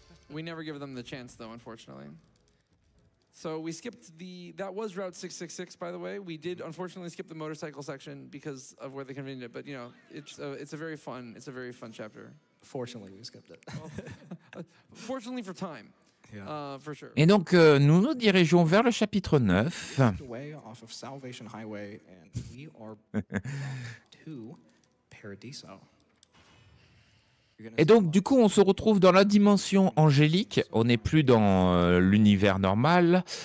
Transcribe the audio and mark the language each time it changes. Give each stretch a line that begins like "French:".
English: We never give them the chance, though, unfortunately. So we skipped that was Route 666, by the way. We did unfortunately skip the motorcycle section because of where they convened it. But you know, it's a very fun chapter. Fortunately, we skipped it. Well, fortunately for time, yeah, for sure.
French: Et donc nous nous dirigeons vers le chapitre 9.
English: Way off of Salvation Highway, and we are to Paradiso.
French: Et donc, du coup, on se retrouve dans la dimension angélique. On n'est plus dans l'univers normal.